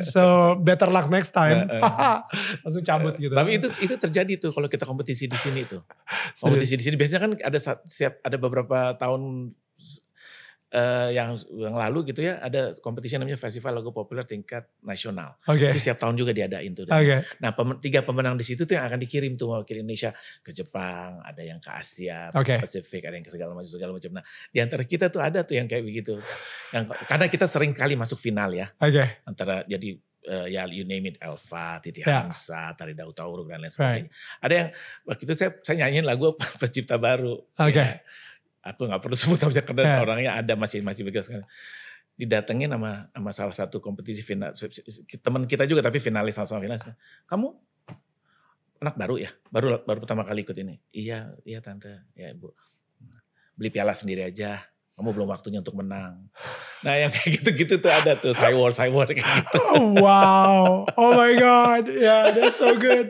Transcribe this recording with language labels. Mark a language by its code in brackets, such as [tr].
[en] So better luck next time. [id] Langsung cabut gitu. Tapi itu terjadi tuh kalau kita kompetisi di sini tuh. Kompetisi di sini biasanya kan ada beberapa tahun yang lalu gitu ya, ada kompetisi namanya Festival Lagu Populer Tingkat Nasional. [en] Okay. [id] Itu setiap tahun juga diadain tuh. [en] Okay. [id] Nah tiga pemenang di situ tuh yang akan dikirim tuh mewakili Indonesia ke Jepang, ada yang ke Asia, [en] okay. [id] Pasifik, ada yang ke segala macam. Nah di antara kita tuh ada tuh yang kayak begitu. Yang, karena kita sering kali masuk final ya. [en] Okay. [id] Antara jadi ya [en] you name it, [id] Elva, Titi Hamsa, Tari Daud Tauruk dan lain sebagainya. [en] Right. [id] Ada yang waktu itu saya nyanyiin lagu Pencipta Baru. [en] Okay. [id] Ya. Aku gak perlu sebut namanya karena orangnya ada masih bagus. Didatengin sama salah satu kompetisi final, teman kita juga tapi finalis sama finalis. Kamu anak baru ya? Baru pertama kali ikut ini? Iya tante, ya ibu. Beli piala sendiri aja. kamu belum waktunya untuk menang. Nah yang kayak gitu-gitu tuh ada tuh, cyborg kayak gitu. [en] Wow, oh my god, yeah, that's so good.